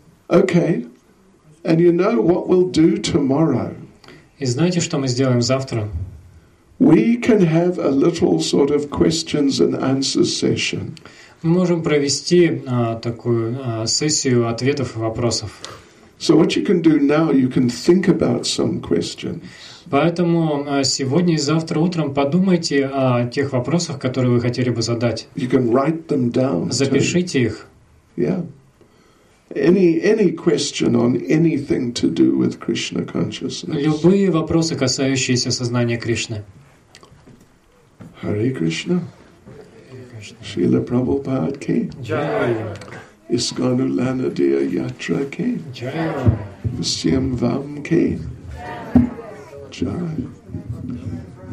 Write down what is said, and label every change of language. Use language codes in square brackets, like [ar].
[en] Okay, and you know what we'll do tomorrow? [ru] И знаете, что мы сделаем завтра? [en] We can have a little sort of questions and answers session. [ru] Мы можем провести такую сессию ответов и вопросов. [en] So what you can do now, you can think about some questions. [ru] Поэтому сегодня и завтра утром подумайте о тех вопросах, которые вы хотели бы задать. [en] You can write them down. [ru] Запишите их. [en] Yeah. Any question on anything to do with Krishna consciousness? [ru] Любые вопросы, касающиеся сознания Кришны. Hare Krishna. Srila Prabhupada ki. Jai. ISKCON Ulanadiya Yatra ki. Jai. Visyam Vam ki. Jai.